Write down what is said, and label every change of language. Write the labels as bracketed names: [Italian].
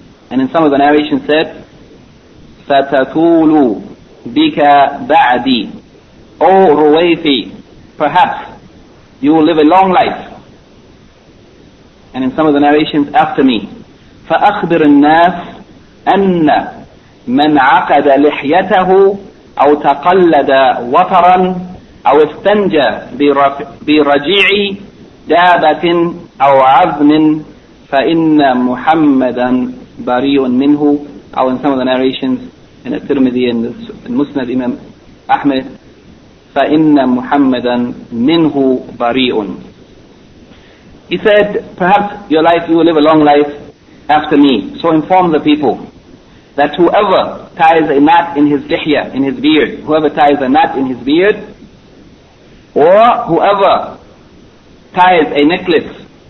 [English] And in some of the narration said, [Arabic] ستطول بك بعدي. [English] O رويفع, perhaps you will live a long life. And in some of the narrations, after me. [Arabic] فأخبر الناس أن من عقد لحيته أو تقلد وترا أو استنجى برجيع دابة أو عظم فإن محمدا بريء منه. أو [English] in some of the narrations in [Arabic] الترمذي and المسند إمام أحمد, فإن محمدا منه بريء. [English] He said, perhaps your life, you will live a long life after me. So inform the people that whoever ties a knot in his lihya, in his beard, whoever ties a knot in his beard, or whoever ties a necklace